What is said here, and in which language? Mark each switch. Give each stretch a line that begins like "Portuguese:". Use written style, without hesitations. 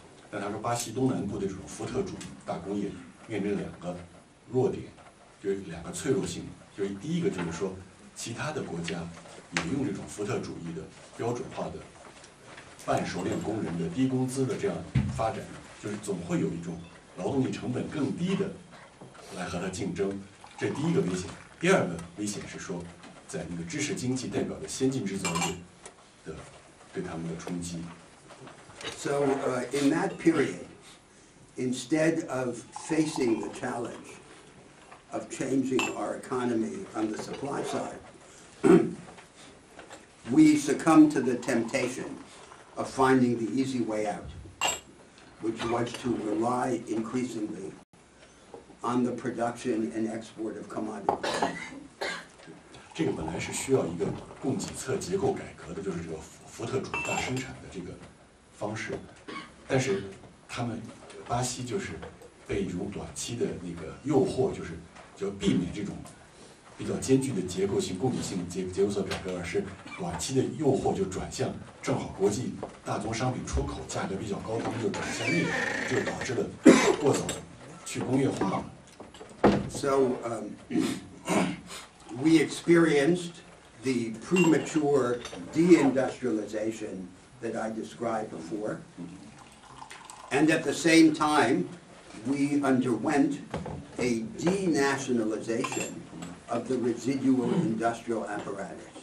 Chinese: 但他说巴西东南部的这种福特主义大工业面临两个弱点，就是两个脆弱性，就是第一个就是说其他的国家也用这种福特主义的标准化的半熟练工人的低工资的这样发展，就是总会有一种劳动力成本更低的来和他竞争，这第一个危险。第二个危险是说在那个知识经济代表的先进制造业的对他们的冲击。
English: So, in that period, instead of facing the challenge of changing our economy on the supply side, we succumbed to the temptation of finding the easy way out, which was to rely increasingly on the production and export of commodities.
Chinese: 这个本来是需要一个供给侧结构改革的，就是这个福特主义大生产的这个方式，但是他们巴西就是被一种短期的那个诱惑，就是就避免这种比较艰巨的结构性供给性结构侧改革，而是短期的诱惑就转向正好国际大宗商品出口价格比较高，他们就转向内，就导致了过早去工业化。
English: So, we experienced the premature deindustrialization that I described before, And at the same time, we underwent a denationalization of the residual industrial apparatus.